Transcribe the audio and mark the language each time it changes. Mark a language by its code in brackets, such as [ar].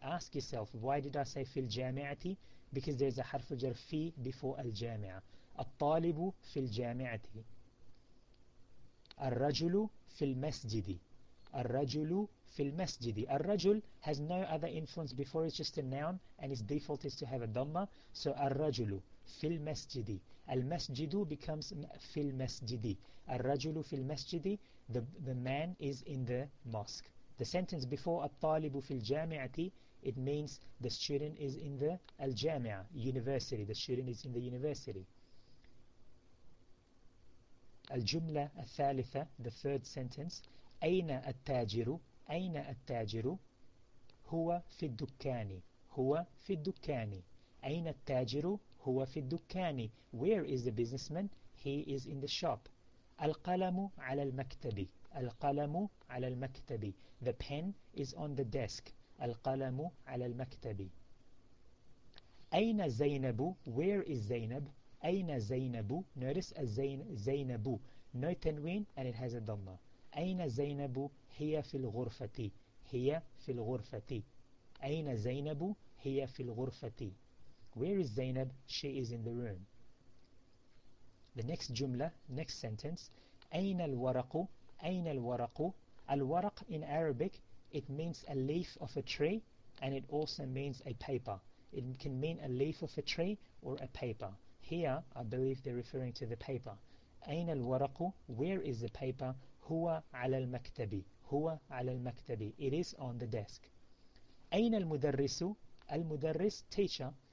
[en] Ask yourself, why did I say [ar] في الجامعة? [en] Because there's a حرف جر في before الجامعة. [ar] الطالب في الجامعة. الرجل في المسجد. الرجل في المسجد. [en] الرجل has no other influence before, it's just a noun, and its default is to have a dhamma. So [ar] الرجل في المسجد. المسجد [en] becomes [ar] في المسجد. الرجل في المسجد. [en] The man is in the mosque. The sentence before الطالب في الجامعة, it means the student is in the الجامعة, university. The student is in the university. [ar] الجملة الثالثة, [en] the third sentence. [ar] أين التاجر؟ أين التاجر؟ هو في الدكان. هو في الدكان. أين التاجر؟ هو في الدكان. [en] Where is the businessman? He is in the shop. [ar] القلم على المكتب. القلم على المكتب. [en] The pen is on the desk. [ar] القلم على المكتب. أين زينب؟ [en] Where is [ar] زينب؟ أين زينب؟ [en] Notice a [ar] زينب. [en] No tanwin and it has a dhamma. [ar] أين زينب؟ هي في الغرفة. هي في الغرفة. أين زينب؟ هي في الغرفة. [en] Where is زينب؟ She is in the room. The next jumla, next sentence. [ar] أين الورق؟ أين الورق؟ [en] الورق in Arabic, it means a leaf of a tree and it also means a paper. It can mean a leaf of a tree or a paper. Here, I believe they're referring to the paper. [ar] أين الورق؟ [en] Where is the paper? [ar] هو على المكتب. هو على المكتب. [en] It is on the desk. [ar] أين المدرس؟ المدرس [en] teacher.